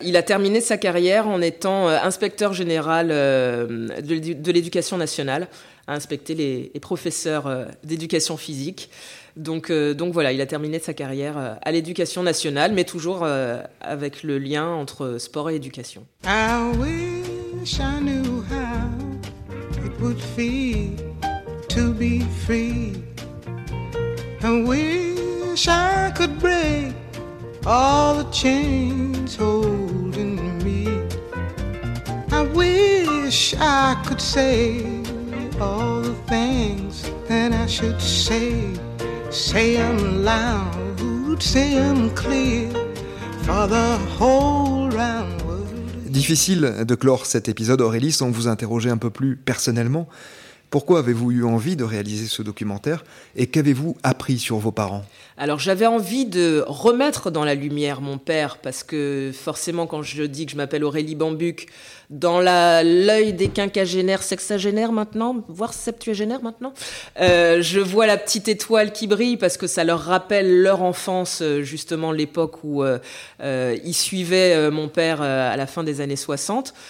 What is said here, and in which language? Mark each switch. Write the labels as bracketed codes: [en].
[fr] Il a terminé sa carrière en étant inspecteur général de l'éducation nationale. À inspecter les professeurs d'éducation physique. Donc voilà, il a terminé sa carrière à l'éducation nationale, mais toujours avec le lien entre sport et éducation. [en] I wish I knew how it would feel to be free. I wish I could break all the chains holding me. I wish I could say all the things that I should say, say them loud, say them clear for the whole round world. [fr] Difficile de clore cet épisode, Aurélie, sans vous interroger un peu plus personnellement. Pourquoi avez-vous eu envie de réaliser ce documentaire et qu'avez-vous appris sur vos parents ? Alors j'avais envie de remettre dans la lumière mon père, parce que forcément quand je dis que je m'appelle Aurélie Bambuc, dans l'œil des quinquagénaires, sexagénaires maintenant, voire septuagénaires maintenant, je vois la petite étoile qui brille parce que ça leur rappelle leur enfance, justement l'époque où ils suivaient mon père à la fin des années 60.